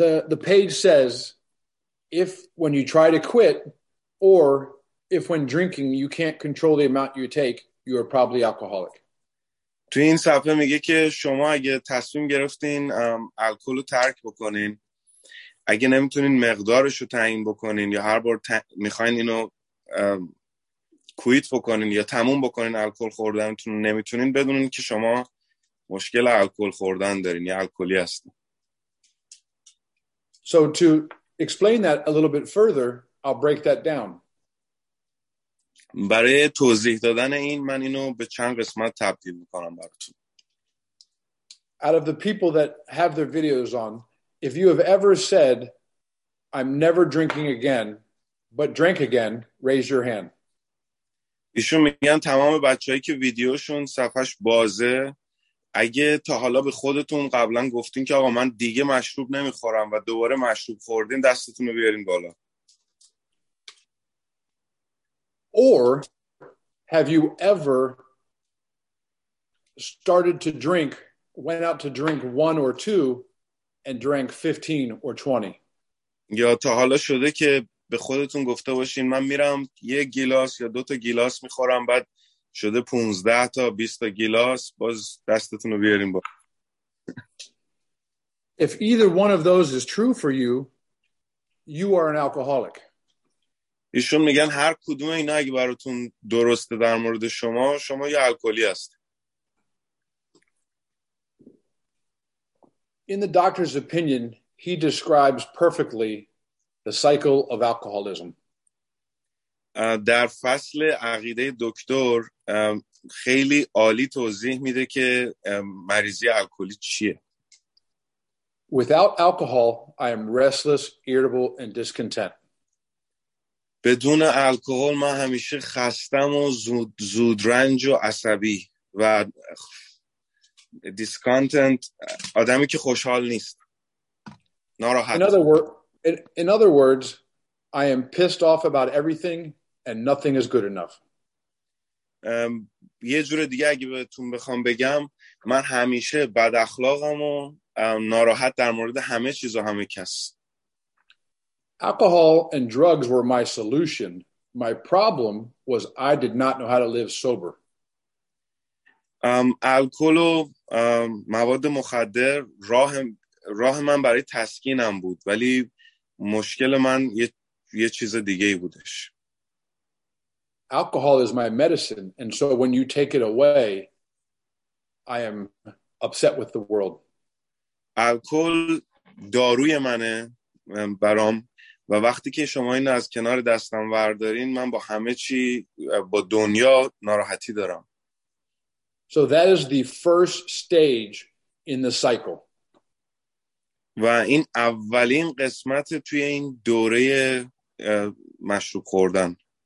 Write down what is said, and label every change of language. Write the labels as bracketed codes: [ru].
[en] The page says, if when you try to quit, or if when drinking, you can't control the amount you take, you are probably alcoholic. [fa] تو این صفحه میگه که شما اگه تصمیم گرفتین الکل رو ترک بکنین، اگه نمیتونین مقدارش رو تعیین بکنین یا هر بار میخواین اینو کویت بکنین یا تموم بکنین الکل خوردنتون، نمیتونین بدونین که شما مشکل الکل خوردن دارین یا الکلی هستین. [en] So to explain that a little bit further, I'll break that down. [fa] برای توضیح دادن این من اینو به چند قسمت تبدیل میکنم براتون. [en] Out of the people that have their videos on, if you have ever said I'm never drinking again but drank again, raise your hand. [fa] ایشون میگن تمام بچه‌هایی که ویدیوشون صفحش بازه، اگه تا حالا به خودتون قبلا گفتین که آقا من دیگه مشروب نمیخورم و دوباره مشروب خوردین، دستتون رو بیارین بالا. [en] Or have you ever started to drink, went out to drink one or two and drank 15 or 20. [fa] یا تا حالا شده که به خودتون گفته باشین من میرم یک گیلاس یا دو تا گیلاس میخورم بعد شده 15 تا 20 تا گیلاس، باز دستتون رو بیارین بالا. [en] If either one of those is true for you, you are an alcoholic. [fa] ایشون میگن هر کدوم اینا اگه براتون درسته در مورد شما، شما یه الکلی هست. [en] In the doctor's opinion, he describes perfectly the cycle of alcoholism. [fa] در فصل عقیده دکتر خیلی عالی توضیح میده که مریضی الکلی چیه. [en] Without alcohol, I am restless, irritable, and discontent. [fa] بدون الکل من همیشه خستم و زود رنج و عصبی و discontent، آدمی که خوشحال نیست، ناراحت. [en] In other words, I am pissed off about everything and nothing is good enough. [fa] یه جور دیگه اگه بهتون بخوام بگم، من همیشه بد اخلاقم و ناراحت در مورد همه چیز و همه کس. [en] Alcohol and drugs were my solution. My problem was I did not know how to live sober. [fa] الکل و مواد مخدر راه من برای تسکینم بود، ولی مشکل من یه چیز دیگه بودش. [en] Alcohol is my medicine, and so when you take it away, I am upset with the world. [fa] الکل داروی منه برام و وقتی که شما اینو از کنار دستم وردارین من با همه چی با دنیا ناراحتی دارم. [en] So that is the first stage in the cycle. [fa] و این اولین قسمت توی این دوره مشروب خوردن.